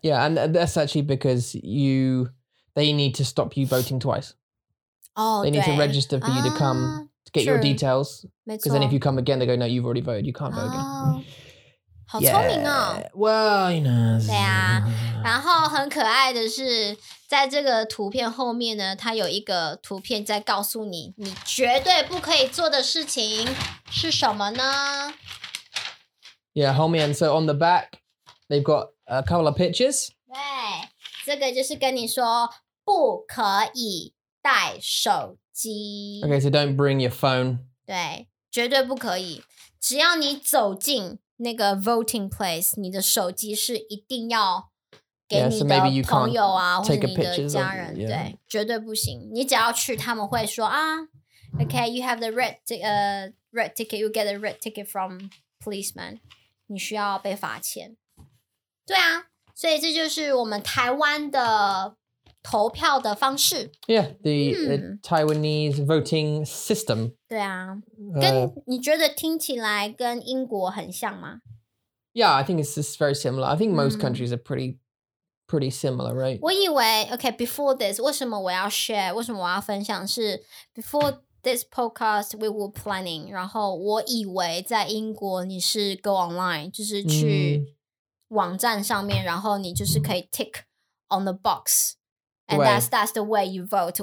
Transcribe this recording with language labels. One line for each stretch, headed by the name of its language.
English: Yeah, and that's actually because they need to stop you voting twice. Oh, they need to register for you to come to get、 true. Your details.
Chinese: 没错。
English: Because then if you come again, they go, no, you've already voted, you can't vote again.
Chinese: 好聪明哦。
English: Well, you know.
Chinese: 对啊。然后很可爱的是在这个图片后面呢，它有一个图片在告诉你，你绝对不可以做的事情是什么呢
English: ？Yeah,
Chinese: 后面
English: so on the back, they've got a couple of pictures.
Chinese: 对，这个就是跟你说不可以带手机。
English: Okay, so don't bring your phone.
Chinese: 对，绝对不可以。只要你走进那个 voting place, 你的手机是一定要。
English: Yeah, so maybe you can't take a picture.
Chinese: 给你的朋友啊，或者你的家人，对，绝对不行。你只要去，他们会说啊 ，
English: Okay, you have the red ticket. You get a red ticket from policeman.
Chinese: 你需要被罚钱。对啊，所以这就是我们台湾的投票的方式。
English: Yeah, the Taiwanese voting system.
Chinese: 对啊，跟你觉得听起来跟英国很像吗
English: ？Yeah, I think it's very similar. I think most countries are pretty similar, right?
Chinese: 我以为
English: okay, before this,
Chinese: 为什么我要 share, 为什么我要分享是
English: before this podcast, we were planning,
Chinese: 然后我以为在英国你是
English: go online,
Chinese: 就是去网站上面然后你就是可以
English: tick on the box, and that's the way you vote.